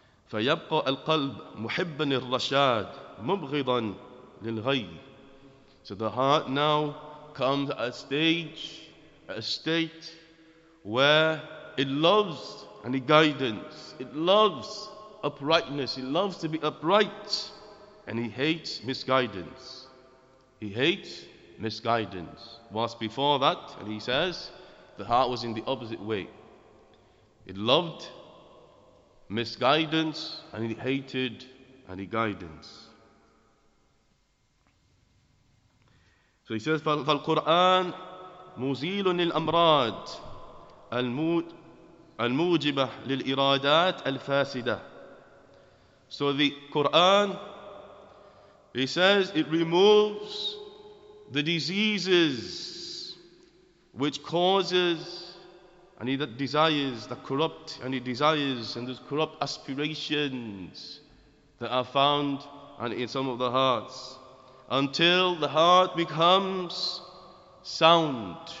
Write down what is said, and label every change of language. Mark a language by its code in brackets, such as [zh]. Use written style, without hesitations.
[ar] فَيَبْقَى الْقَلْبُ مُحِبًّا لِلرَّشَادِ مُبْغِضًا لِلْغَيِّ. [en] So the heart now comes at a state where it loves any guidance, it loves uprightness, it loves to be upright, and he hates misguidance. Whilst before that, and he says, the heart was in the opposite way. It loved misguidance and it hated any guidance. So he says, [ar] فالقرآن مزيل للأمراض الموجبة للإرادات الفاسدة. [en] So the Quran, he says, it removes the diseases which causes and he that desires, the corrupt, and he desires, and those corrupt aspirations that are found and in some of the hearts, until the heart becomes sound.